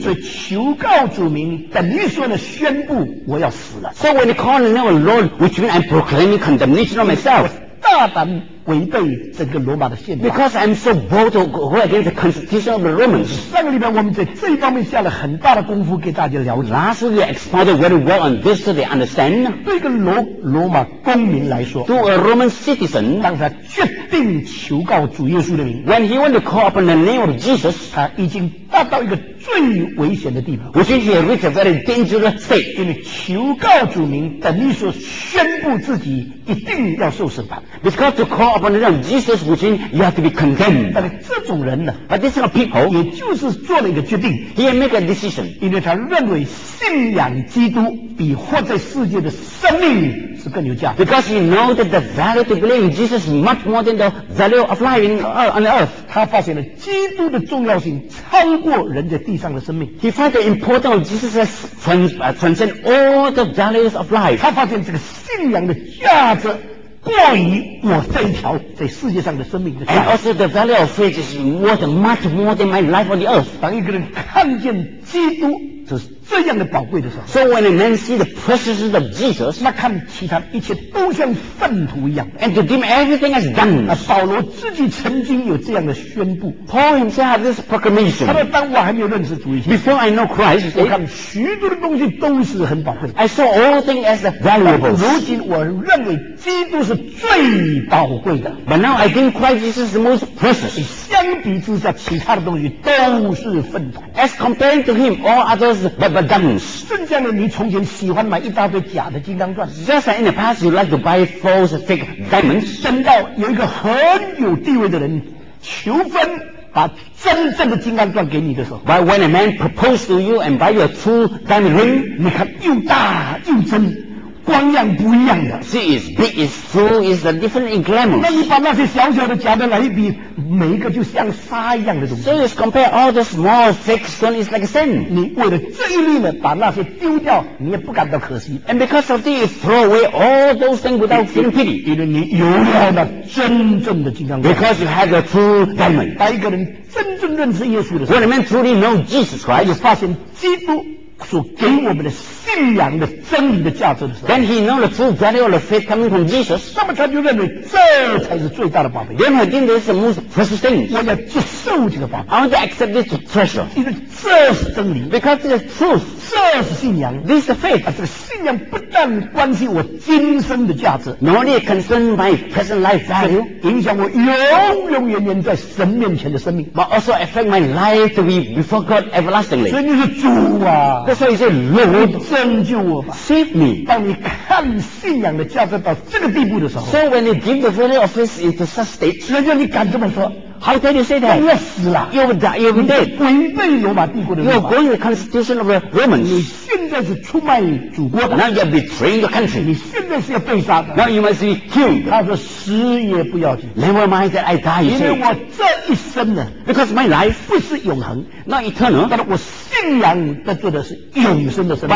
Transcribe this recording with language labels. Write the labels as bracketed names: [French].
[Chinese] 所以求告主名等于说呢宣布我要死了 [English] so when you call the name of Lord which means I'm proclaiming condemnation of myself [Chinese] 大胆违背整个罗马的宪法 [English] Because I'm so bold to go against the constitution of the Romans [Chinese] 上个礼拜我们在这一方面下了很大的功夫给大家了解 [English] Last week you expounded very well on this so they understand [Chinese] 对一个 罗马公民来说 [English] To a Roman citizen [Chinese] 当他决定求告主耶稣的名 [English] When he want to call upon the name of Jesus [Chinese] 他已经达到一个最危险的地步 [English] Which is he reached a very dangerous state [Chinese] 因为求告主名等于说宣布自己一定要受审判 [English] Because to call upon the name of Jesus which means you have to be condemned [Chinese] 但是这种人呢 [English] But these are people [Chinese] 也就是做了一个决定 [English] He make a decision [Chinese] 因为他认为信仰基督比活在世界的生命是更有价值 [English] Because he know that the value to believe in Jesus is much more than the value of life on the earth [Chinese] 他发现了基督的重要性超过人在地上的生命 [English] He find the importance of Jesus has transcend all the values of life [Chinese] 他发现这个信仰的价值过于我这一条在世界上的生命的 [English] And also the value of faith is worth much more than my life on the earth [Chinese] 当一个人看见基督这这样的宝贵的时候。 [English] So when a man see the precious of Jesus, [Chinese] 那看其他一切都像粪土一样。 [English] And to deem everything as dung. [Chinese] 那保罗自己曾经有这样的宣布。 [English] Paul himself had this proclamation. [Chinese] 他说当我还没有认识主以前。 [English] Before I know Christ, [Chinese] 我看许多的东西都是很宝贵的。 [English] I saw all things as valuable. [Chinese] 如今我认为基督是最宝贵的。 [English] But now I think Christ Jesus is the most precious. [Chinese] 相比之下，其他的东西都是粪土。 [English] As compared to him, all others but dungs. [Chinese] 正像你从前喜欢买一大堆假的金刚钻。 [English] Just like in the past, you like to buy false fake diamonds. [Chinese] 等到有一个很有地位的人求婚，把真正的金刚钻给你的时候。 [English] But when a man proposed to you and buy you a true diamond ring, [Chinese] 你看又大又真。光亮不一样的 [English] See, it's big, it's full, it's a different in glamour. [Chinese] 那你把那些小小的假的来比，每一个就像沙一样的东西。 [English] So it's compare all the small fake stone is like sand. [Chinese] 你为了这一粒呢，把那些丢掉，你也不感到可惜。 [English] And because of this, you throw away all those things without feeling pity. [Chinese] 因为你有了那真正的金刚钻。 [English] Because you have a true diamond. [Chinese] 当一个人真正认识耶稣的时候 [English] ，When a man truly know Jesus Christ, [Chinese] 就发现基督。所给我们的信仰的真理的价值的时候 [English] Then he know the true value of the faith coming from Jesus [Chinese] 那么他就认为这才是最大的宝贝 [English] Then I think this is the most precious thing [Chinese] 我要接受这个宝贝 [English] I want to accept this treasure [Chinese] 因为这是真理 [English] Because this is truth [Chinese] 这是信仰 [English] This is the faith [Chinese] 这个信仰不但关系我今生的价值 [English] Not only concern my present life value [Chinese] 影响我永永远远在神面前的生命 [English] But also affect my life to be before God everlastingly [Chinese] 所以你是主啊 [English] That's why he said, Lord, [Chinese] 拯救我吧 [English] save me. [Chinese] 当你看信仰的价值到这个地步的时候 [English] So when you give the value of faith into such state, [Chinese] 人家你敢这么说 [English] How can you say that? [Chinese] 你要死了 [English] You will die, you will dead. [Chinese] 违背罗马帝国的罗马 [English] You're going to the constitution of the Romans. [Chinese] 你现在是出卖祖国的 [English] Now you're betraying your country. [Chinese] 你现在是要被杀的 [English] Now you must be killed. [Chinese] 他说死也不要紧 [English] Never mind that I die, you say. [Chinese] 因为我这一生呢 [English] Because my life [Chinese] 不是永恒 [English] Not eternal. [Chinese] 但是我信仰在做的是永生的生命